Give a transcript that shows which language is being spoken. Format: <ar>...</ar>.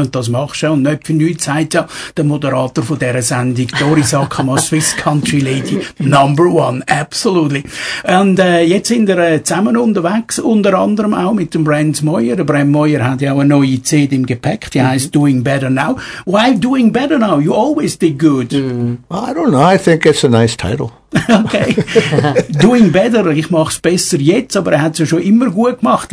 <de>Und das machst du. Und nicht für nichts sagt ja der Moderator von dieser Sendung, Dori Sakama,</de> <en>Swiss Country Lady, number one, absolutely.</en> <de>Und jetzt sind wir zusammen unterwegs, unter anderem auch mit dem Brent Moyer. Der Brent Moyer hat ja auch eine neue CD im Gepäck, die heisst Doing Better Now.</de> <en>Why Doing Better Now? You always did good. Well, I don't know, I think it's a nice title. Okay.</en> <de>Doing Better, ich mache es besser jetzt, aber er hat es ja schon immer gut gemacht.</de>